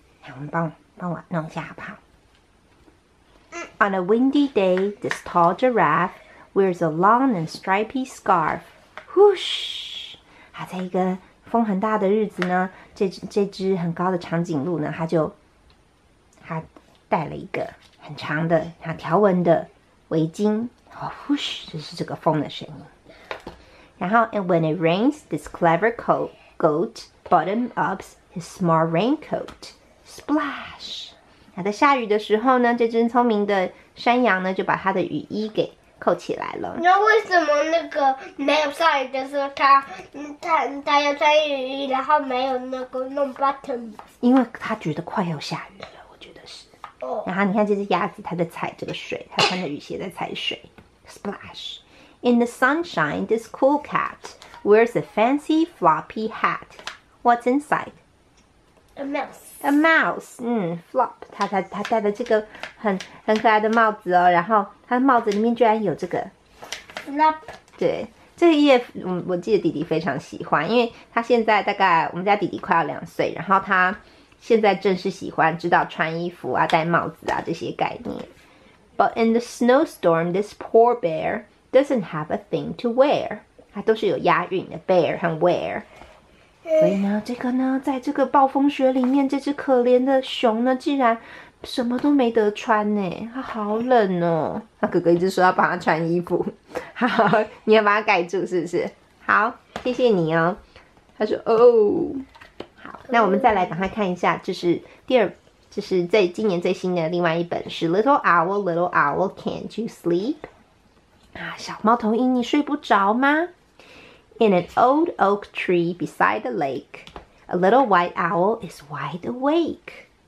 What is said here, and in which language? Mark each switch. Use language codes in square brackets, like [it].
[zh] 来，我们帮我弄一下好不好？ [en] On a windy day, this tall giraffe wears a long and stripy scarf. Whoosh！ [zh] 啊，在一个风很大的日子呢，这只很高的长颈鹿呢，它戴了一个很长的、像条纹的围巾，哦，呼嘘，这是这个风的声音。然后， [en] And when it rains, this clever goat bottom ups his small raincoat. Splash！ [zh] 那在下雨的时候呢，这只聪明的山羊呢，就把它的雨衣给扣起来了。你知道为什么那个没有下雨的时候，他要穿雨衣，然后没有那个弄 button 吗？因为他觉得快要下雨了。然后你看这只鸭子，它在踩这个水，它穿着雨鞋在踩水。 [en] Splash! In the sunshine, this cool cat wears a fancy floppy hat. What's inside? A mouse. A mouse. Flop. [zh] 它戴的这个很可爱的帽子哦。然后它的帽子里面居然有这个。 [en] Flop. [zh] 对，这一页我记得弟弟非常喜欢，因为他现在大概我们家弟弟快要2岁，然后他。现在正是喜欢知道穿衣服啊、戴帽子啊这些概念。 [en] But in the snowstorm, this poor bear doesn't have a thing to wear。 [zh] 它都是有押韵的，bear 和 wear。所以呢，这个呢，在这个暴风雪里面，这只可怜的熊呢，竟然什么都没得穿呢。它好冷哦。那哥哥一直说要帮它穿衣服，好，你要把它盖住，是不是？好，谢谢你哦。他说哦。好，那我们再来赶快看一下，这是第二，这是在今年最新的另外一本是《Little Owl, Little Owl, Can't You Sleep》啊，小猫头鹰，你睡不着吗？ [en] In an old oak tree beside the lake, a little white owl is wide awake.